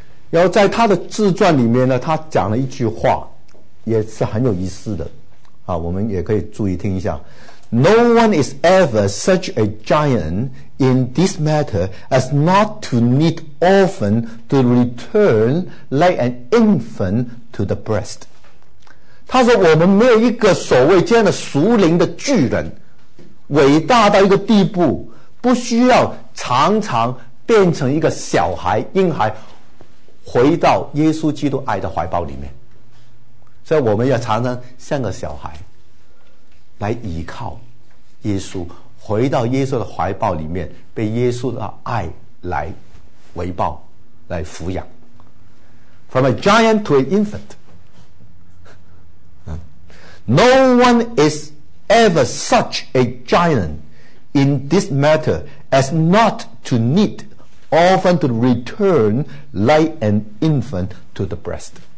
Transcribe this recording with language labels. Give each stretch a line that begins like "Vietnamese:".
Chinese: 然后在他的自传里面呢，他讲了一句话也是很有意思的啊，我们也可以注意听一下。
English: No one is ever such a giant in this matter as not to need often to return like an infant to the breast.
Chinese: 他说我们没有一个所谓这样的属灵的巨人，伟大到一个地步不需要常常变成一个小孩婴孩回到耶稣基督爱的怀抱里面。所以我们要常常像个小孩来依靠耶稣，回到耶稣的怀抱里面，被耶稣的爱来回报来抚养。
English: From a giant to an infant. No one is ever such a giant in this matter as not to need often to return like an infant to the breast.